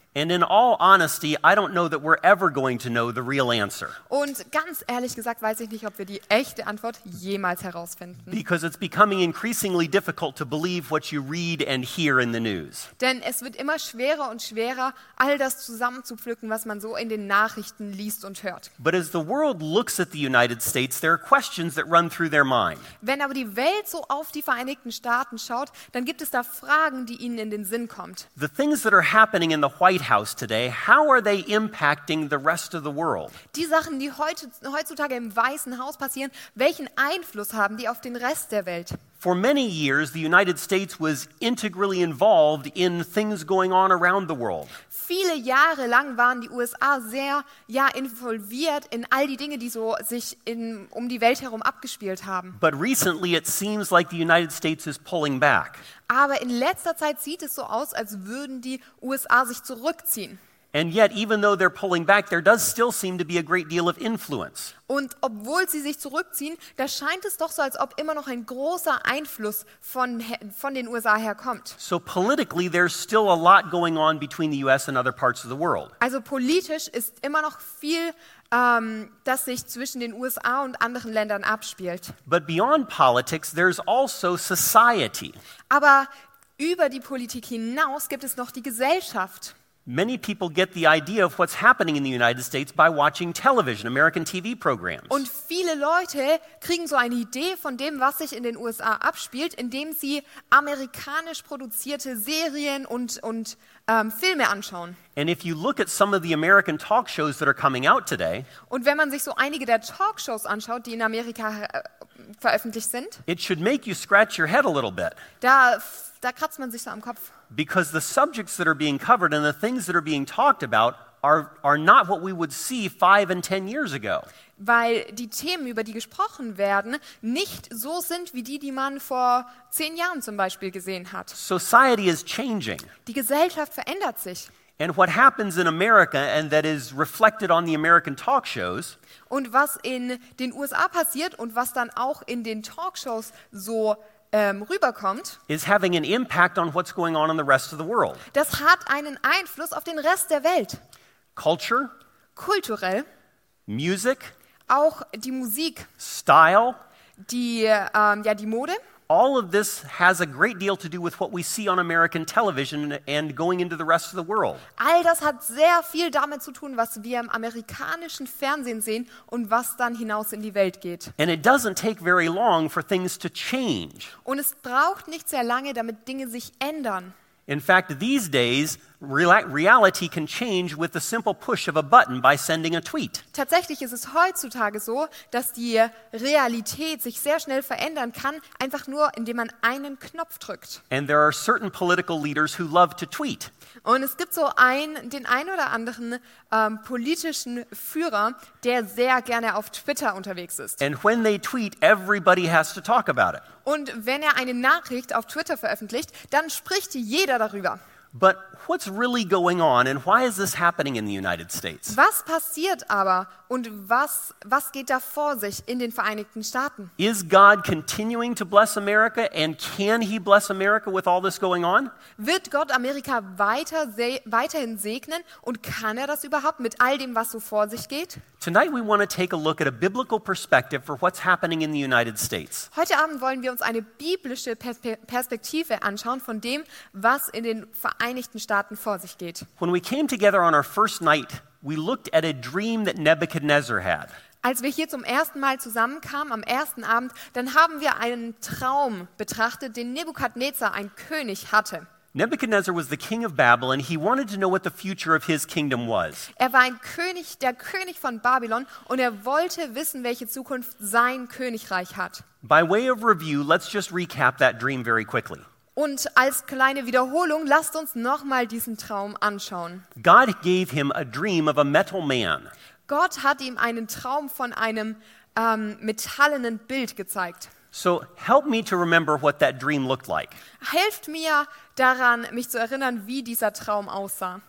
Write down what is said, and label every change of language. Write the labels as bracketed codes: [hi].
[en] And in all honesty, I don't know that we're ever going to know the real answer. [de] Und ganz ehrlich gesagt, weiß ich nicht, ob wir die echte Antwort jemals herausfinden. [en] Because it's becoming increasingly difficult to believe what you read and hear in the news. [de] Denn es wird immer schwerer und schwerer, all das zusammenzupflücken, was man so in den Nachrichten liest und hört. [en] But as the world looks at the United States, there are questions that run through their mind. [de] Wenn aber die Welt so auf die Vereinigten Staaten schaut, dann gibt es da Fragen, die ihnen in den Sinn kommt. [en] The things that are happening in the White House today, how are they impacting the rest of the world? [de] Die Sachen, die heutzutage im Weißen Haus passieren, welchen Einfluss haben die auf den Rest der Welt? [en] For many years, the United States was integrally involved in things going on around the world. [de] Viele Jahre lang waren die USA sehr involviert in all die Dinge, die so sich um die Welt herum abgespielt haben. [en] But recently, it seems like the United States is pulling back. [de] Aber in letzter Zeit sieht es so aus, als würden die USA sich zurückziehen. [en] And yet, even though they're pulling back, there does still seem to be a great deal of influence. [de] Und obwohl sie sich zurückziehen, da scheint es doch so, als ob immer noch ein großer Einfluss von den USA herkommt. [en] So politically, there's still a lot going on between the US and other parts of the world. [de] Also politisch ist immer noch viel, das sich zwischen den USA und anderen Ländern abspielt. [en] But beyond politics, there's also society. [de] Aber über die Politik hinaus gibt es noch die Gesellschaft. [en] Many people get the idea of what's happening in the United States by watching television, American TV programs. [de] Und viele Leute kriegen so eine Idee von dem, was sich in den USA abspielt, indem sie amerikanisch produzierte Serien und Filme anschauen. [en] And if you look at some of the American talk shows that are coming out today, [de] und wenn man sich so einige der Talkshows anschaut, die in Amerika veröffentlicht sind, [en] it should make you scratch your head a little bit. [de] Da kratzt man sich so am Kopf. [en] Because the subjects that are being covered and the things that are being talked about are not what we would see 5 and 10 years ago. [de] Weil die Themen, über die gesprochen werden, nicht so sind wie die, die man vor 10 Jahren zum Beispiel gesehen hat. [en] Society is changing. [de] Die Gesellschaft verändert sich. [en] And what happens in America, and that is reflected on the American talk shows. [de] Und was in den USA passiert und was dann auch in den Talkshows so rüberkommt, [en] is having an impact on what's going on in the rest of the world. [de] Das hat einen Einfluss auf den Rest der Welt. [en] Culture, [de] kulturell, [en] Music, [de] auch die Musik, [en] Style, [de] die Mode. [en] All of this has a great deal to do with what we see on American television and going into the rest of the world. [de] All das hat sehr viel damit zu tun, was wir im amerikanischen Fernsehen sehen und was dann hinaus in die Welt geht. [en] And it doesn't take very long for things to change. [de] Und es braucht nicht sehr lange, damit Dinge sich ändern. [en] In fact, these days, reality can change with the simple push of a button by sending a tweet. [de] Tatsächlich ist es heutzutage so, dass die Realität sich sehr schnell verändern kann, einfach nur, indem man einen Knopf drückt. [en] And there are certain political leaders who love to tweet. [de] Und es gibt so den ein oder anderen politischen Führer, der sehr gerne auf Twitter unterwegs ist. [en] And when they tweet, everybody has to talk about it. [de] Und wenn er eine Nachricht auf Twitter veröffentlicht, dann spricht jeder darüber. [en] But what's really going on and why is this happening in the United States? [de] Was passiert aber und was geht da vor sich in den Vereinigten Staaten? [en] Is God continuing to bless America and can he bless America with all this going on? [de] Wird Gott Amerika weiterhin segnen und kann er das überhaupt mit all dem, was so vor sich geht? [en] Tonight we want to take a look at a biblical perspective for what's happening in the United States. [de] Heute Abend wollen wir uns eine biblische Perspektive anschauen von dem, was in den Vereinigten Staaten vor sich geht. [en] When we came together on our first night, we looked at a dream that Nebuchadnezzar had. [de] Als wir hier zum ersten Mal zusammenkamen am ersten Abend, dann haben wir einen Traum betrachtet, den Nebukadnezar, ein König, hatte. [en] Nebuchadnezzar was the king of Babylon. He wanted to know what the future of his kingdom was. [de] Er war ein König, der König von Babylon, und er wollte wissen, welche Zukunft sein Königreich hat. [en] By way of review, let's just recap that dream very quickly. [de] Und als kleine Wiederholung, lasst uns nochmal diesen Traum anschauen. [en] God gave him a dream of a metal man. [de] Gott hat ihm einen Traum von einem metallenen Bild gezeigt. [en] So help me to remember what that dream looked like. [de] Helft mir daran, mich zu erinnern, wie dieser Traum aussah.